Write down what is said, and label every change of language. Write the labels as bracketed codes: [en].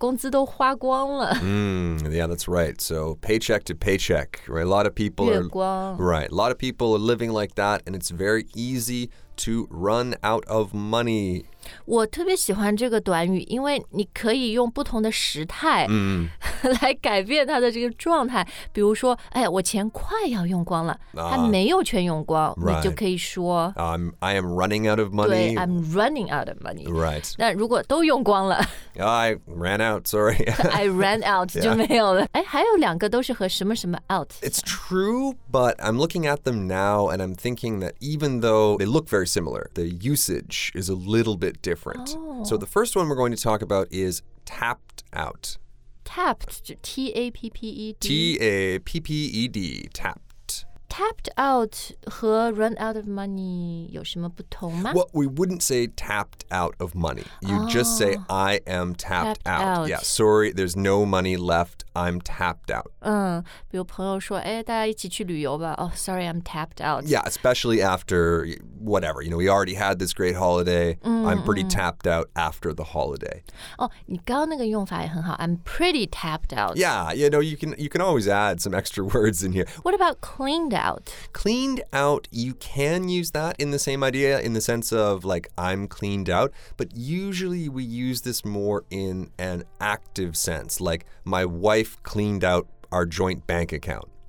[zh] 工资都花光了。 [en] Yeah, that's right. So paycheck to paycheck, right? A lot of people are [zh] 月光 [en] right. A lot of people are living like that, and it's very easy to run out of money. [zh] 我特别喜欢这个短语，因为你可以用不同的时态来改变它的这个状态。比如说，哎，我钱快要用光了，还没有全用光，你就可以说 [en] I am running out of money. [zh] 对 [en] ，I'm running out of money. Right. [zh] 那如果都用光了。 [en] I ran out, sorry. I ran out, [zh] 就没有了。哎，还有两个都是和什么什么 out。 [en] It's true, but I'm looking at them now, and I'm thinking that even though they look very similar, the usage is a little bit different. Oh. So the first one we're going to talk about is tapped out. Tapped, T-A-P-P-E-D. T-A-P-P-E-D, tapped. [zh] Tapped out 和 run out of money 有什么不同吗 [en] Well, we wouldn't say tapped out of money. You just say, I am tapped out. Yeah, sorry, there's no money left. I'm tapped out. [zh] 比如朋友说、哎、大家一起去旅游吧。 [en] Oh, sorry, I'm tapped out. Yeah, especially after whatever. You know, we already had this great holiday. I'm pretty tapped out after the holiday. Oh, [zh] 你刚刚那个用法也很好。 [en] I'm pretty tapped out. Yeah, you know, you can always add some extra words in here. What about clean? Out. Cleaned out, you can use that in the same idea, in the sense of like, I'm cleaned out, but usually we use this more in an active sense, like my wife cleaned out our joint bank account.